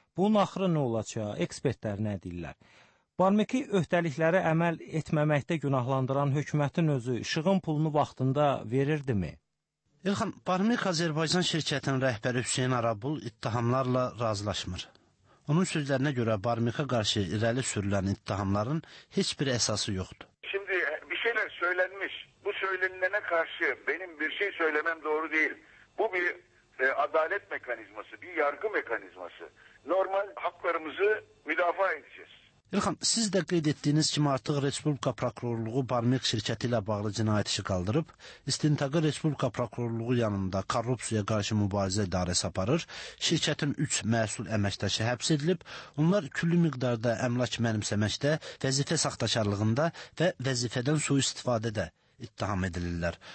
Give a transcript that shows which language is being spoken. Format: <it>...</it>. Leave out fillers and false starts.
<az>Bunun axırı nə olacaq? Ekspertlər nə deyirlər? Barmeki öhdəliklərə əməl etməməkdə günahlandıran hökumətin özü işığın pulunu vaxtında verirdimi? İlxan, Barmek Azərbaycan şirkətinin rəhbəri Hüseyin Arabul ittihamlarla razılaşmır. Onun sözlərinə görə Barmekə qarşı irəli sürülən ittihamların heç bir əsası yoxdur.</az> <tr>Şimdi bir şeyler söylenmiş, bu söylenilənə qarşı benim bir şey</tr> <az>söyləməm doğru deyil.</az> <tr>Bu bir adalet mekanizması, bir yargı mekanizması. Normal haklarımızı müdafaa edeceğiz.</tr> <az>İlxan, siz də qeyd etdiyiniz kimi artıq Respublika Prokurorluğu Barmek şirkəti ilə bağlı cinayət işi qaldırıb, istintaqı Respublika Prokurorluğu yanında Korrupsiyaya qarşı mübarizə idarəsi aparır, şirkətin 3 məsul əməkdaşı həbs edilib, onlar külli miqdarda əmlak mənimsəməkdə, vəzifə saxtakarlığında və vəzifədən sui-istifadədə ittiham edilirlər.</az>